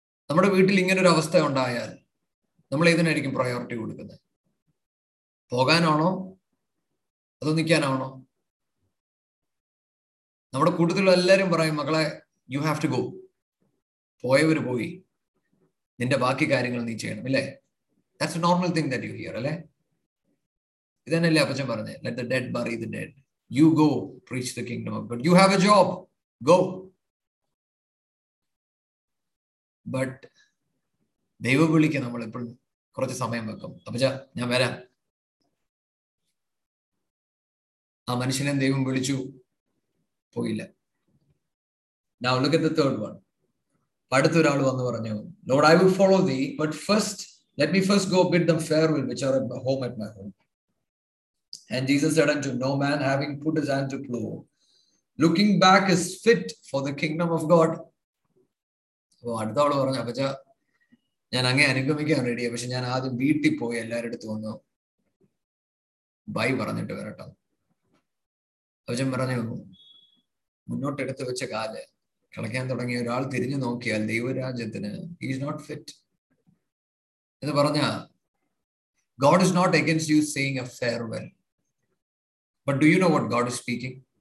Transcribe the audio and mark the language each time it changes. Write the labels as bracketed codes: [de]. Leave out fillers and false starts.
[ml] നമ്മുടെ വീട്ടിൽ ഇങ്ങനെ ഒരു അവസ്ഥ ഉണ്ടായാൽ നമ്മൾ ഏതിനായിരിക്കും പ്രയോറിറ്റി കൊടുക്കുന്നത്? പോകാനാണോ അതോ നിൽക്കാനാണോ? നമ്മുടെ കൂട്ടത്തിലുള്ള എല്ലാവരും പറയും, മക്കളെ [en] you have to go, [ml] പോയവർ പോയി, നിന്റെ ബാക്കി കാര്യങ്ങൾ നീ ചെയ്യണം അല്ലേ? [en] That's a normal thing that you hear, [ml] അല്ലേ? ഇതന്നെയല്ലേ അപ്പച്ചൻ പറഞ്ഞത്, [en] let the dead bury the dead, you go preach the kingdom of God, you have a job, go. [ml] But ദൈവവിളിക്ക് നമ്മൾ എപ്പോഴും കുറച്ച് സമയം വെക്കും. അപ്പച്ച ഞാൻ വരാം. ആ മനുഷ്യനെ ദൈവം വിളിച്ചു, പോയില്ല. [en] Now look at the third one. [ml] പടുത്ത ഒരാൾ വന്ന് പറഞ്ഞു, [en] Lord, I will follow thee, but first let me first go bid them farewell which are at home at my home. And Jesus said unto him, no man having put his hand to plow looking back is fit for the kingdom of God. [ml] അടുത്ത ആള് പറഞ്ഞു, അപ്പച്ച ഞാൻ അങ്ങേ അനുഗമിക്കാൻ റെഡിയാ, പക്ഷെ ഞാൻ ആദ്യം വീട്ടിൽ പോയി എല്ലാരും അടുത്ത് വന്നു ബൈ പറഞ്ഞിട്ട് വരട്ടെ. അപ്പച്ചൻ പറഞ്ഞു, മുന്നോട്ടെടുത്ത് വെച്ച കാല് കളയ്ക്കാൻ തുടങ്ങിയ ഒരാൾ തിരിഞ്ഞു നോക്കിയാൽ ദൈവരാജ്യത്തിന് [en] he is not fit [ml] എന്ന് പറഞ്ഞ, [en] God is not against you saying a farewell, but do you know what God is speaking?